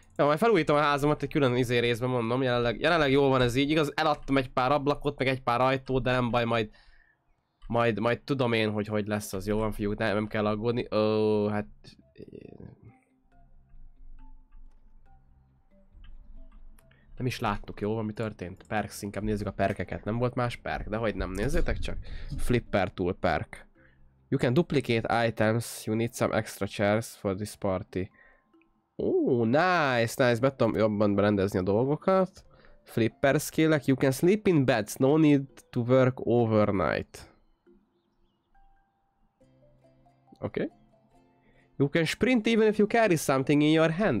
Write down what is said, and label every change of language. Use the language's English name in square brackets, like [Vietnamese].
[Hungarian] Jó, majd felújítom a házamat, egy külön izé részben mondom, jelenleg jó van ez így, igaz, eladtam egy pár ablakot, meg egy pár ajtót, de nem baj, majd tudom én, hogy lesz az, jó van fiúk, nem kell aggódni. Ó, hát... Nem is láttuk, jó, ami történt. Perks, inkább nézzük a perkeket. Nem volt más perk, de hogy nem, nézzétek csak. Flipper tool perk. [English] You can duplicate items, you need some extra chairs for this party. [Hungarian] Nice, be tudom jobban berendezni a dolgokat. [English] Flipper skill-ek, you can sleep in beds, no need to work overnight. Oké. Okay. You can sprint even if you carry something in your hand.